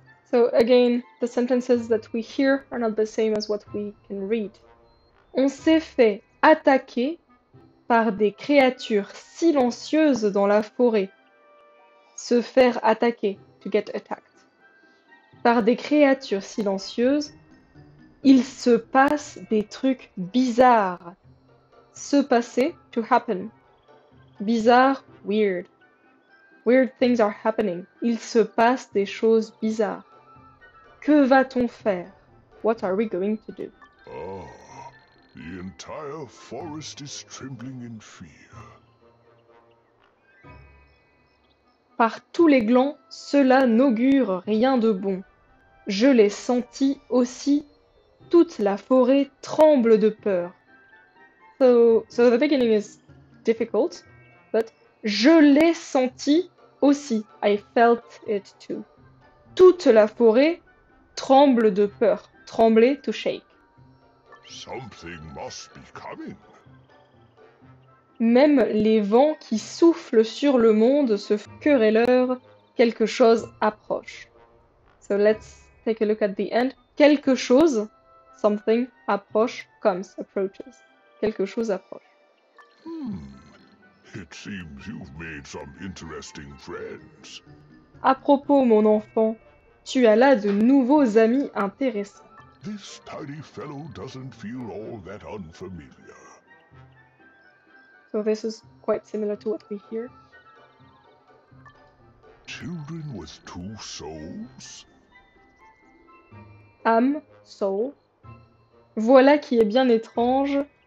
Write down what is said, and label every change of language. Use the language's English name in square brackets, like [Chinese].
[English] So again, the sentences that we hear are not the same as what we can read. [French] On s'est fait attaquer par des créatures silencieuses dans la forêt. Se faire attaquer, [English] to get attacked. [French] Par des créatures silencieuses. Il se passe des trucs bizarres. Se passer, [English] to happen. Bizarre, weird. Weird things are happening. [French] Il se passe des choses bizarres. Que va-t-on faire? [English] What are we going to do? Ah, the entire forest is trembling in fear. [French] Par tous les glands, cela n'augure rien de bon. Je l'ai senti aussi. Toute la forêt tremble de peur. [English] So the beginning is difficult, but [French] je l'ai senti aussi. [English] I felt it too. [French] Toute la forêt tremble de peur. Trembler, [English] to shake. Something must be coming. [French] Même les vents qui soufflent sur le monde se querelleur. Quelque chose approche. [English] So let's take a look at the end. [French] Quelque chose. [English] Something approach comes, approaches. [French] Quelque chose approche. [English] It seems you've made some interesting friends. [French] À propos, mon enfant, tu as là de nouveaux amis intéressants. [English] This tiny fellow doesn't feel all that unfamiliar. So this is quite similar to what we hear. Children with two souls? [French] Âme, soul. Voilà qui est bien étrange.